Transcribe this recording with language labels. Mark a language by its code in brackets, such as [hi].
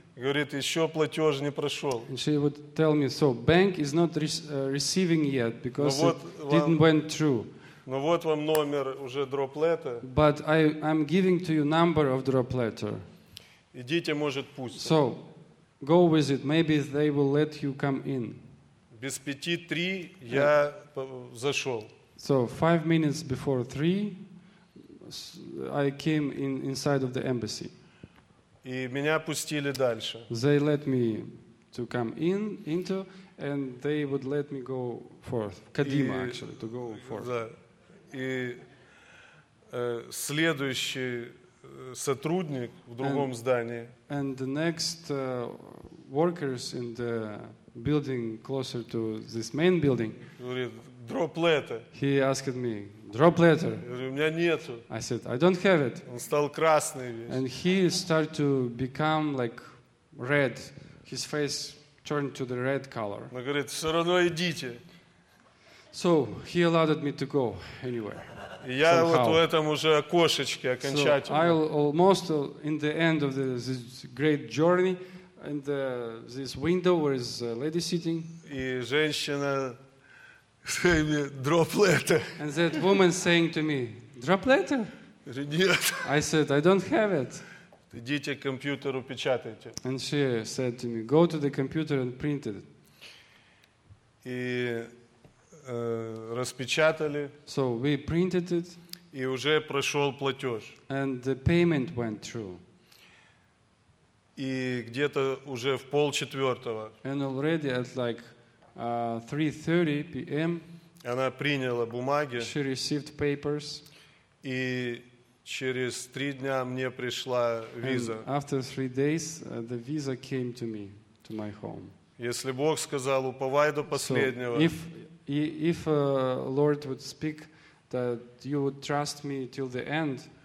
[ru] Говорит, еще платеж не прошел. [en] And she would tell me, so bank is not receiving yet because it didn't went through. [ru] Но вот вам номер уже drop letter. [en] But I'm giving to you number of drop letter. [ru] Идите, может, пусть. [en] So go with it. Maybe they will let you come in. [ru] Без 5:30 я зашел. [en] So 5 minutes before 3, I came inside of the embassy. [ru] И меня пустили дальше. [en] They let me to come in into, and they would let me go forth. Kadima actually to go forth. [ru] Да. И следующий сотрудник в другом здании. [en] And the next workers in the building closer to this main building. Drop letter. He asked me, drop letter. [ru] У меня нету. [en] I said, I don't have it. [ru] Он стал красный весь. [en] And he started to become like red. His face turned to the red color. [ru] Но говорит, все равно идите. [en] So he allowed me to go anywhere. [ru] Я вот в этом уже окошечке окончательно. [en] I almost in the end of this great journey. And this window where is a lady sitting. [ru] И женщина [en] say me [ru] drop letter. [en] And that woman saying to me, drop letter? [ru] Нет. [en] I said, I don't have it. [ru] Идите к компьютеру печатайте. [en] And she said to me, go to the computer and print it. [ru] И распечатали. [en] So we printed it. [ru] И уже прошел платеж. [en] And the payment went through. [ru] И где-то уже в пол четвертого. [en] And already at like 3:30 p.m. [ru] Она приняла бумаги. [en] She received papers. [ru] И через три дня мне пришла виза. [en] And after 3 days, the visa came to me, to my home. [ru] Если Бог сказал, уповай до последнего. [en] So if Lord would speak that you would trust me till the end.